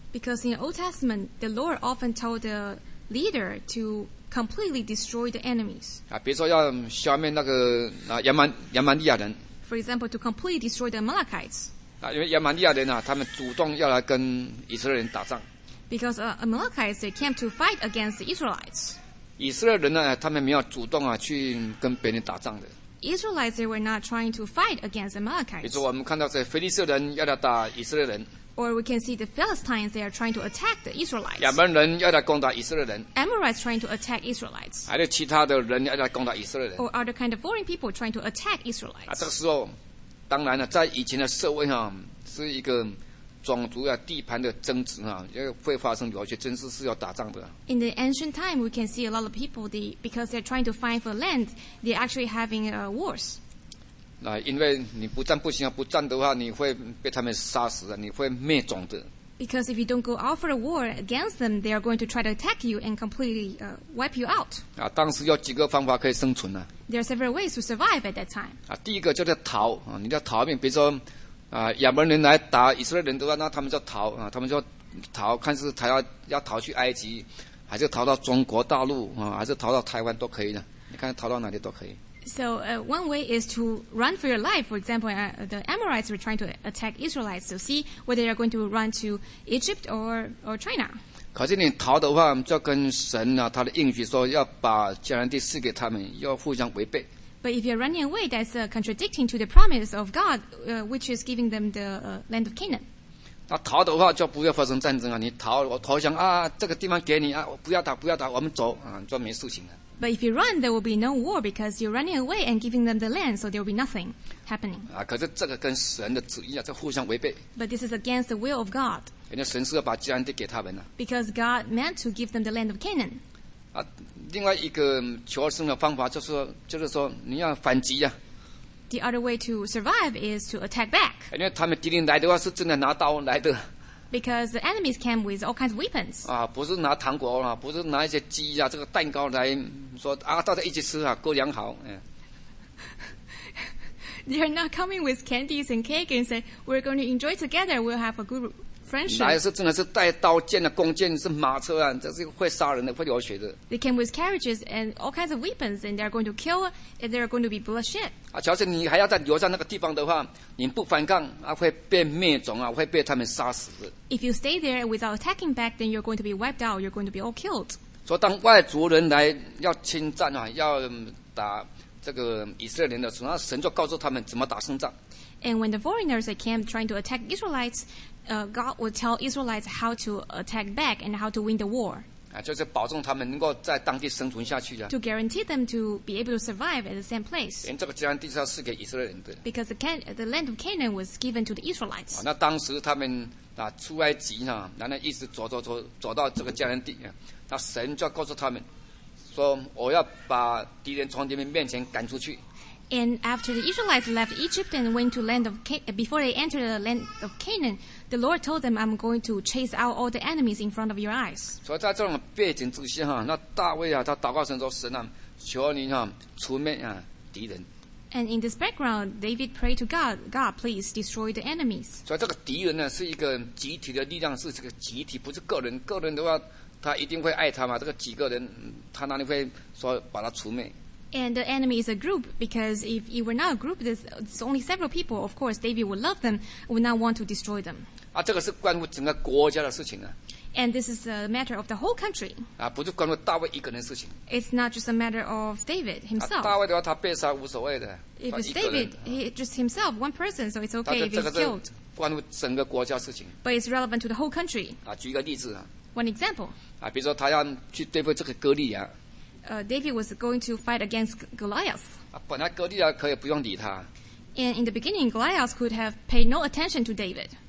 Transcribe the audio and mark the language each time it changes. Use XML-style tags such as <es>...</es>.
<en>Because in the Old Testament, the Lord often told the leader to completely destroy the enemies.</en> <zh>啊，比如说要消灭那个啊亚蛮利亚人。</zh> <en>For example, to completely destroy the Amalekites.</en> <zh>啊，因为亚蛮利亚人啊，他们主动要来跟以色列人打仗。</zh> <en>Because Amalekites they came to fight against the Israelites.</en> <zh>以色列人呢，他们没有主动啊去跟别人打仗的。</zh> <en>Israelites they were not trying to fight against Amalekites.</en> <zh>比如说我们看到这腓利斯人要来打以色列人。</zh> <en>Or we can see the Philistines, they are trying to attack the Israelites.</en> <zh>亚门人要来攻打以色列人。</zh> <en>Amorites trying to attack Israelites.</en> <zh>还有其他的人要来攻打以色列人。</zh> <en>Or other kind of foreign people trying to attack Israelites.</en> <zh>啊，这个时候，当然了，在以前的社会哈、啊，是一个种族啊、地盘的争执啊，也会发生有些争执是要打仗的。</zh> <en>In the ancient time, we can see a lot of people, they, because they're trying to find for land, they're actually having wars.</en> <zh>因为你不战不行啊，不战的话你会被他们杀死啊，你会灭种的。</zh> <en>Because if you don't go out for a war against them, they are going to try to attack you and completely wipe you out.</en> <zh>啊，当时有几个方法可以生存呢、啊、</zh> <en>？There are several ways to survive at that time.</en> <zh>啊，第一个叫做逃啊，你要逃命。比如说啊，亚门人来打以色列人的话，那他们就逃啊，他们就逃，看是他要逃去埃及，还是逃到中国大陆啊，还是逃到台湾都可以的。你看逃到哪里都可以。</zh> <en>So one way is to run for your life. For example, the Amorites were trying to attack Israelites. So see whether they are going to run to Egypt or China.</en> <zh>可是你逃的话，就跟神啊他的应许说要把迦南地赐给他们，要互相违背。</zh> <en>But if you're running away, that's contradicting to the promise of God, which is giving them the land of Canaan.</en> <zh>那逃的话就不要发生战争啊！你逃，我投降啊！这个地方给你啊！不要打，不要打，我们走啊，就没事情了。</zh> <en>But if you run, there will be no war because you're running away and giving them the land, so there will be nothing happening.</en> <zh>啊，可是这个跟神的旨意啊，这互相违背。</zh> <en>But this is against the will of God.</en> <zh>因为神是要把迦南地给他们呐。</zh> <en>Because God meant to give them the land of Canaan.</en> <zh>啊，另外一个求生的方法就是说你要反击呀。</zh> <en>The other way to survive is to attack back.</en> <zh>因为他们敌人来的话，是真的拿刀来的。</zh> <en>Because the enemies came with all kinds of weapons.</en> <zh>啊，不是拿糖果啊，不是拿一些鸡啊，这个蛋糕来说啊，大家一起吃啊，过良好。</zh> <en>They are not coming with candies and cake and say we're going to enjoy together. We'll have a good friendship.</en> <zh>来是真的是带刀剑的、啊、弓箭是马车啊，这是会杀人的、会流血的。</zh> <en>They came with carriages and all kinds of weapons, and they are going to kill and they are going to be bloodshed.</en> <zh>啊，假设你还要再留在那个地方的话，你不反抗啊，会被灭种啊，会被他们杀死。</zh> <en>If you stay there without attacking back, then you're going to be wiped out. You're going to be all killed.</en> <zh>说当外族人来要侵占啊，要打这个以色列人的时候，那神就告诉他们怎么打胜仗。</zh> <en>And when the foreigners came trying to attack Israelites, God would tell Israelites how to attack back and how to win the war.</en> <zh>啊，就是保证他们能够在当地生存下去的。</zh> <en>To guarantee them to be able to survive at the same place.</en> <zh>连这个迦南地是给以色列人的。</zh> <en>Because the land of Canaan was given to the Israelites.</en> <zh>那当时他们啊出埃及呢，然后一直走到这个迦南地，那神就告诉他们说，我要把敌人从你们面前赶出去。</zh> <en>And after the Israelites left Egypt and went to land of Canaan, before they entered the land of Canaan, the Lord told them, I'm going to chase out all the enemies in front of your eyes.</en> <zh>所以在这种背景之下，那大卫啊，他祷告神说，神啊，求你啊，除灭啊敌人。</zh> <en>And in this background, David prayed to God, God, please destroy the enemies.</en> <zh>所以这个敌人呢，是一个集体的力量，是这个集体，不是个人。个人的话，他一定会爱他嘛。这个几个人，他哪里会说把他除灭？</zh> <en>And the enemy is a group because if it were not a group, there's only several people. Of course, David would love them, would not want to destroy them.</en> <zh>啊，这个是关乎整个国家的事情啊。</zh> <en>And this is a matter of the whole country.</en> <zh>啊，不是关乎大卫一个人的事情。</zh> <en>It's not just a matter of David himself.</en> <zh>啊，大卫的话，他被杀无所谓的。</zh> <en>If it's David, he just himself, one person, so it's okay if he's killed.</en> <zh>关乎整个国家事情。</zh> <en>But it's relevant to the whole country.</en> <zh>啊，举一个例子啊。</zh> <en>One example.</en> <zh>啊，比如说他要去对付这个哥利亚。</zh> <en>David was going to fight against Goliath.</en> <zh>啊，本来哥利亚可以不用理他。</zh> <en>And in the beginning, Goliath could have paid no attention to David.</en>